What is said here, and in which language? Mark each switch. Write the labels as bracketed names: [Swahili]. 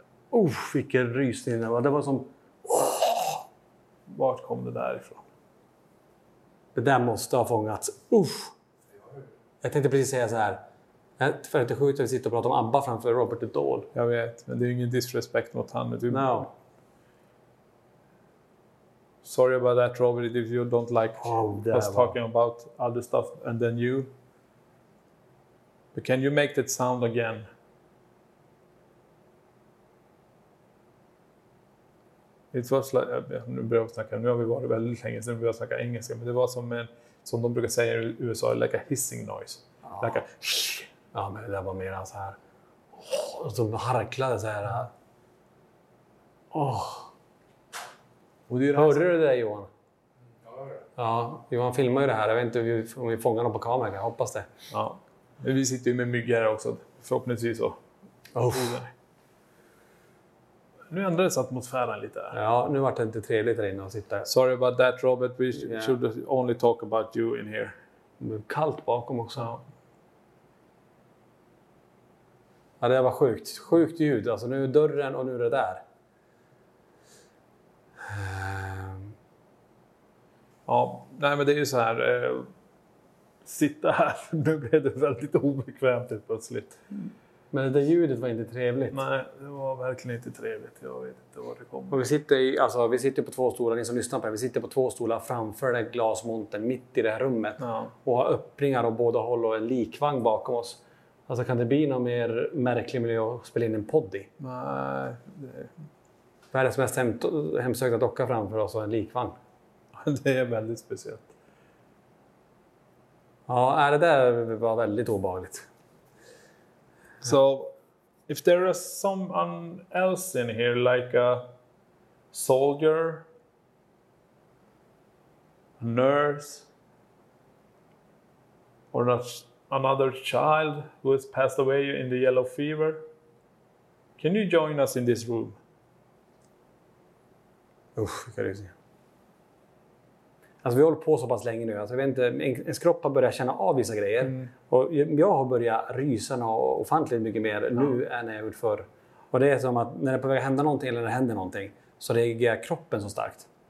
[Swedish] Uff, vilken rysning det var. Det var som... Vart kom det där ifrån? Det där måste ha fångats. Uff. Jag tänkte precis säga så här. För att det är sjukt att vi sitter och pratar om ABBA framför Robert Dahl. Jag vet, men det är ingen disrespect mot han. Du... [English] No. Sorry about that, Robert, if you don't like us talking about other stuff and then you. But can you make that sound again? It was like, [Swedish] nu börjar vi snacka, nu har vi varit väldigt länge sedan vi har snackat engelska, men det var som en, som de brukar säga i USA, [English] like a hissing noise. Oh. Like a shh. [Swedish] Ja, men det där var mer så här... Och så harklade så här... Och det är det här. Hörde du det där, Johan? Ja, Johan filmar ju det här. Jag vet inte om vi fångar dem på kameran. Jag hoppas det. Ja, men vi sitter ju med mygg här också. Förhoppningsvis så. Nu ändrades atmosfären lite. Ja, nu var det inte trevligt där inne att sitta. [English] Sorry about that, Robert. We should only talk about you in here. [Swedish] Det är kallt bakom också. Ja. Ja, det var sjukt. Sjukt ljud. Alltså nu är dörren och nu är det där. Ja, nej men det är ju så här. Sitta här. Nu blev det väldigt obekvämt plötsligt. Men det ljudet var inte trevligt. Nej, det var verkligen inte trevligt. Jag vet inte var det kommer. Och vi sitter i, alltså, vi sitter på två stolar. Ni som lyssnar på det, vi sitter på två stolar framför den glasmonten mitt i det här rummet. Ja. Och har öppningar åt båda håll och en likvagn bakom oss. Alltså kan det bli någon mer märklig miljö att spela in en podd i? Nej. Vad är det som mest hemsökt att docka framför oss och en likvagn? Det är väldigt speciellt. Ja, är det där var väldigt obehagligt. [English] So, if there is someone else in here, like a soldier, a nurse, or not... Another child who has passed away in the yellow fever. Can you join us in this room? [Swedish] Uff, vilka rysning. Alltså vi håller på så pass länge nu. Alltså, jag vet inte, ens kropp har börjat känna av vissa grejer. Mm. Och jag har börjat rysa ofantligt mycket mer nu än jag gjort förr. Och det är som att när det är på väg att hända någonting eller när det händer någonting så reagerar kroppen så starkt.